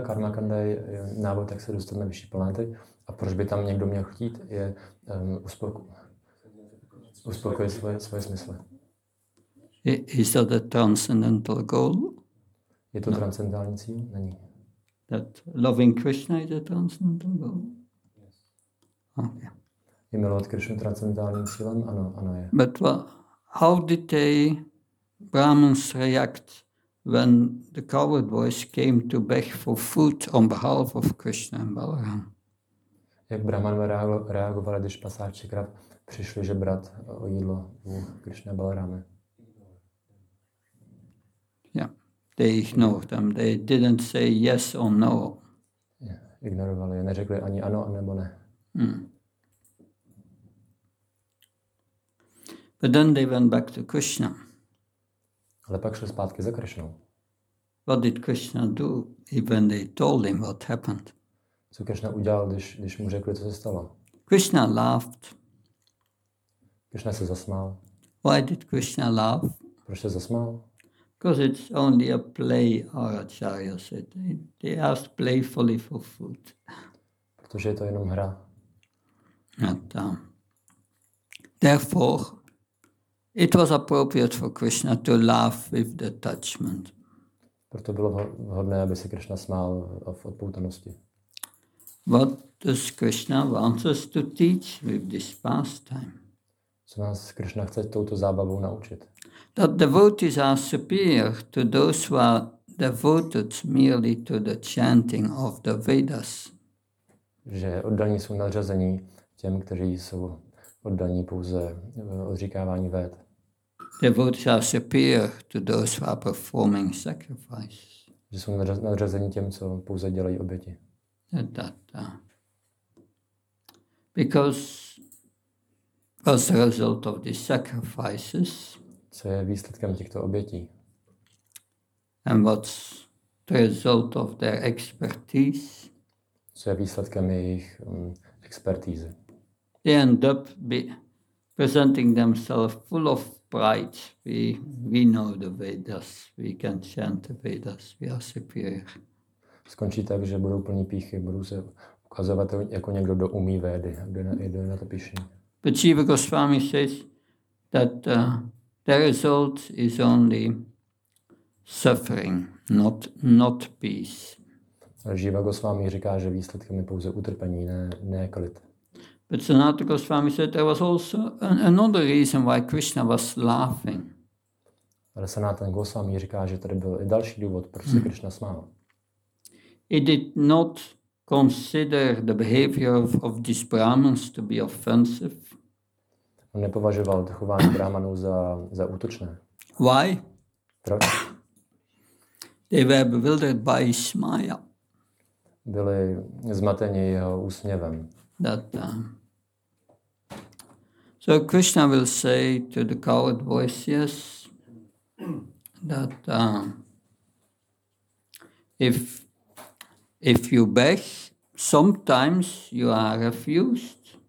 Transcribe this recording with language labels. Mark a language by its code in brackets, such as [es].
[cs] Karma kanda je návod, jak se dostat na vyšší planety. A proč by tam někdo měl chtít, je uspokojit svoje smysly. [en] Is that a transcendental goal? [cs] Je to transcendální cíl? Není. [en] That loving Krishna is a transcendental goal? Okay. [cs] Je milovat Krishnu transcendálním cílem? Ano je. [en] But how did the Brahmins react when the coward boys came to beg for food on behalf of Krishna and Balaram? [cs] Jak Brahmanové reagovali, když pasáči krav přišli žebrat o jídlo u Krishna a Balarama? [en] Yeah, they ignored them. They didn't say yes or no. [cs] Ignorovali, neřekli ani ano, nebo ne. Hmm. [en] But then they went back to Krishna. [cs] Ale pak šli zpátky za Krishnou. [en] What did Krishna do even they told him what happened? [cs] Co Krishna udělal, když mu řekli, co se stalo? [en] Krishna laughed. [cs] Krishna se zasmál. [en] Why did Krishna laugh? [cs] Proč se zasmál? [en] Because it's only a play, Acharya said. They asked playfully for food. [cs] Protože je to jenom hra. [en] And, therefore, it was appropriate for Krishna to laugh with detachment. [cs] Proto bylo vhodné, aby se Krishna smál v odpoutanosti. [en] What does Krishna want us to teach with this pastime? [cs] Co nás Krishna chce touto zábavou naučit? [en] That devotees are superior to those who are devoted merely to the chanting of the Vedas. [cs] Že oddaní jsou nadřazení těm, kteří jsou oddaní pouze odříkávání Véd. [en] Devotees are superior to those who are performing sacrifice. [cs] Že jsou nadřazení těm, co pouze dělají oběti. [en] Because as a result of these sacrifices, [cs] co je výsledkem těchto obětí, [en] and what's the result of their expertise, [cs] co je výsledkem jejich expertízy, [en] they end up presenting themselves full of pride. We know the Vedas, we can chant the Vedas, we are superior. [cs] Skončí tak, že budou plní píchy, budou se ukazovat jako někdo, kdo umí Védy, kdo je na to píšení. [en] But Jiva Goswami says that the result is only suffering, not peace. [cs] Jiva Goswami říká, že výsledkem je pouze utrpení, ne klid. [en] But Sanatana Goswami said there was also another reason why Krishna was laughing. [cs] Ale Sanatana Goswami říká, že tady byl i další důvod, proč se Krishna smál. [en] He did not consider the behavior of these Brahmins to be offensive. [cs] On nepovažoval chování Brahmanů za útočné. [en] Why? [cs] Proč? [en] They were bewildered by his maya. [cs] Byli zmateni jeho úsměvem. [en] So Krishna will say to the coward voice, yes, that if you beg, sometimes you are refused.